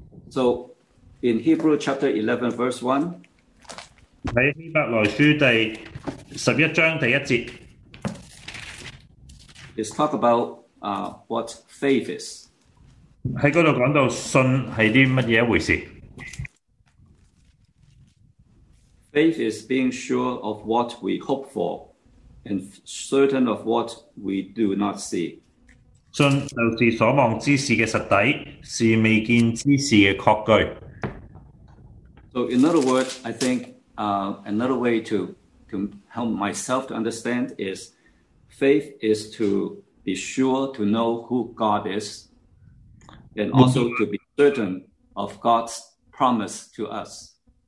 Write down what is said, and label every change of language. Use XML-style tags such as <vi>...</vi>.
<en>So in Hebrew chapter 11, verse 1.</en> <zh>在希伯来书第11章第一节,</zh> <en>it's talk about what faith is.</en> <zh>在那里讲到信是什么一回事?</zh> <en>Faith is being sure of what we hope for and certain of what we do not see.</en> <zh>信就是所望之事的实底，是未见之事的确据。</zh> <en>So in other words, I think another way to help myself to understand is faith is to be sure to know who God is and also to be certain of God's promise to us.</en>